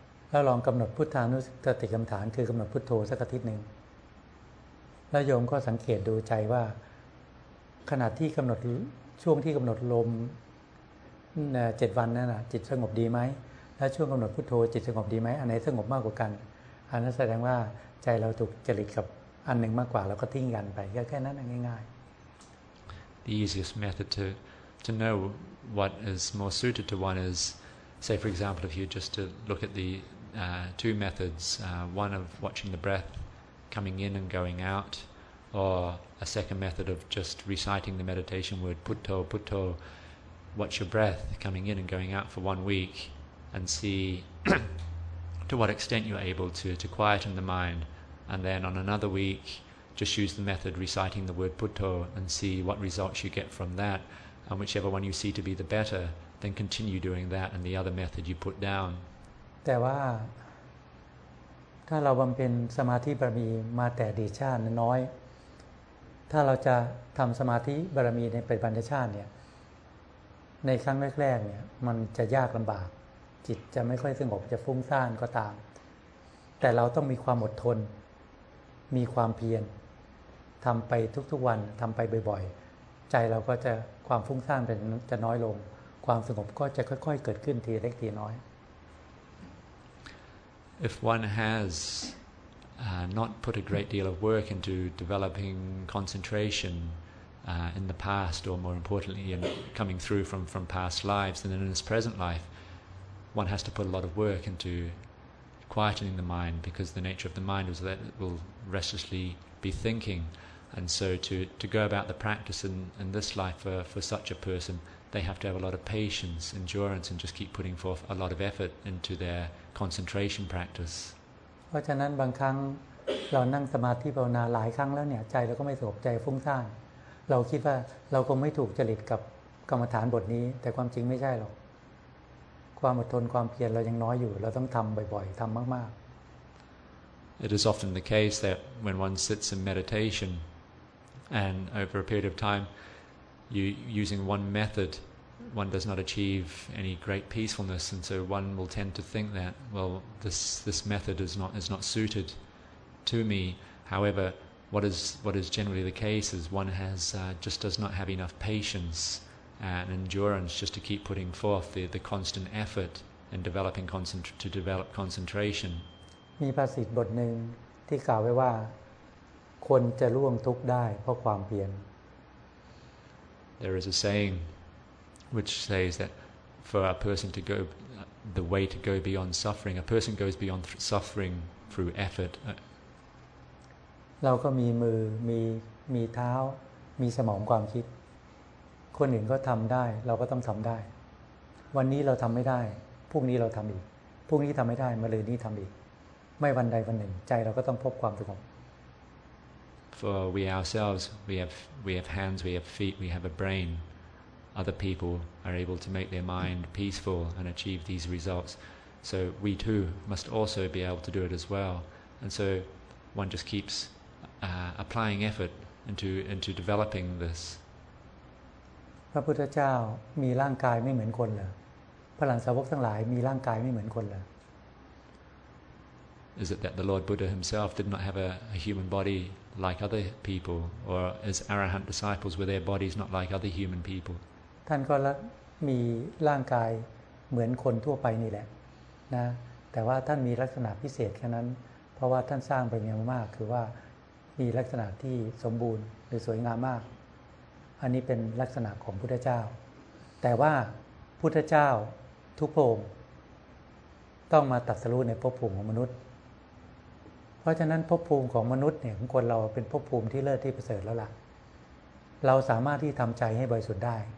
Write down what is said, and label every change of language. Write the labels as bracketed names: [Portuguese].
[Thai] แล้วลองกำหนดพุทธานุสติกรรมฐานคือกำหนดพุทโธสักอาทิตย์หนึ่งแล้วโยมก็สังเกตดูใจว่าขณะที่กำหนดช่วงที่กำหนดลม7วันนั่นน่ะจิตสงบดีไหมแล้วช่วงกำหนดพุทโธจิตสงบดีไหมอันไหนสงบมากกว่ากันอันนั้นแสดงว่าใจเราถูกจริตกับอันหนึ่งมากกว่าแล้วก็ทิ้งกันไปแค่นั้นง่าย [English] ๆ The easiest method to know what is more suited to one is say for example if you just to look at the two methods one of watching the breath coming in and going out or a second method of just reciting the meditation word putto putto watch your breath coming in and going out for 1 week and see to what extent you're able to quieten the mind and then on another week just use the method reciting the word putto and see what results you get from that and whichever one you see to be the better then continue doing that and the other method you put down [Thai] แต่ว่าถ้าเราบำเพ็ญสมาธิบารมีมาแต่ดีชาติน้อยถ้าเราจะทำสมาธิบารมีในปัจจุบันชาติเนี่ยในครั้งแรกๆเนี่ยมันจะยากลำบากจิตจะไม่ค่อยสงบจะฟุ้งซ่านก็ตามแต่เราต้องมีความอดทนมีความเพียรทำไปทุกๆวันทำไปบ่อยๆใจเราก็จะความฟุ้งซ่านจะน้อยลงความสงบก็จะค่อยๆเกิดขึ้นทีเล็กทีน้อย [English] If one has not put a great deal of work into developing concentration in the past or more importantly in coming through from past lives then in his present life one has to put a lot of work into quietening the mind because the nature of the mind is that it will restlessly be thinking and so to go about the practice in this life for such a person they have to have a lot of patience endurance and just keep putting forth a lot of effort into their concentration practice [Thai] เพราะฉะนั้นบางครั้งเรานั่งสมาธิภาวนาหลายครั้งแล้วเนี่ยใจเราก็ไม่สงบใจฟุ้งซ่านเราคิดว่าเราคงไม่ถูกจริตกับกรรมฐานบทนี้แต่ความจริงไม่ใช่หรอกความอดทนความเพียรเรายังน้อยอยู่เราต้องทำบ่อยๆทำมาก [English] ๆ It is often the case that when one sits in meditation and over a period of timeYou, using one method, one does not achieve any great peacefulness, and so one will tend to think that, well, this method is not suited to me. However, what is generally the case is one has just does not have enough patience and endurance just to keep putting forth the constant effort in developing to develop concentration. [Thai] มีภาษิตบทหนึ่งที่กล่าวไว้ว่าคนจะล่วงทุกข์ได้เพราะความเพียร [English] There is a saying which says that for a person to go, the way to go beyond suffering, a person goes beyond suffering through effort. [Thai] เราก็มีมือมีเท้ามีสมองความคิดคนอื่นก็ทำได้เราก็ต้องทำได้วันนี้เราทำไม่ได้พรุ่งนี้เราทำอีกพรุ่งนี้ทำไม่ได้มะรืนนี้ทำอีกไม่วันใดวันหนึ่งใจเราก็ต้องพบความสงบ [English] For we ourselves, we have hands, we have feet, we have a brain. Other people are able to make their mind peaceful and achieve these results. So we too must also be able to do it as well. And so one just keeps applying effort into developing this. [Thai] พระพุทธเจ้ามีร่างกายไม่เหมือนคนเหรอ พระอรหันตสาวกทั้งหลายมีร่างกายไม่เหมือนคนเหรอ [English] Is it that the Lord Buddha himself did not have a human body like other people, or as arahant disciples were their bodies not like other human people? [Thai] ท่านก็มีร่างกายเหมือนคนทั่วไปนี่แหละนะแต่ว่าท่านมีลักษณะพิเศษแค่นั้นเพราะว่าท่านสร้างบารมีมากคือว่ามีลักษณะที่สมบูรณ์หรือสวยงามมากอันนี้เป็นลักษณะของพุทธเจ้าแต่ว่าพุทธเจ้าทุกพระองค์ต้องมาตรัสรู้ในภพภูมิของมนุษย์เพราะฉะนั้นภพภูมิของมนุษย์เนี่ยของคนเราเป็นภพภูมิที่เลิศที่ประเสริฐแล้วล่ะเราสามารถที่ทำใจให้บริสุทธิ์ได้